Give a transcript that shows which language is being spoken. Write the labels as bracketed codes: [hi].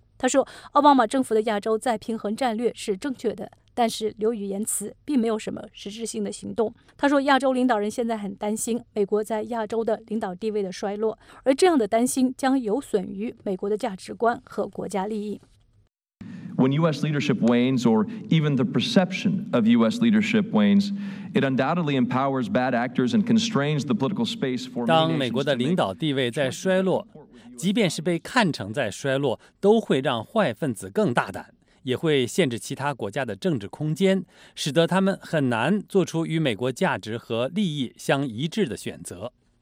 [zh] 他说，奥巴马政府的亚洲再平衡战略是正确的，但是流于言辞，并没有什么实质性的行动。他说，亚洲领导人现在很担心美国在亚洲的领导地位的衰落，而这样的担心将有损于美国的价值观和国家利益。 [en] When U.S. leadership wanes, or even the perception of U.S. leadership wanes, it undoubtedly empowers bad actors and constrains the political space for. [zh] 当美国的领导地位在衰落，即便是被看成在衰落，都会让坏分子更大胆，也会限制其他国家的政治空间，使得他们很难做出与美国价值和利益相一致的选择。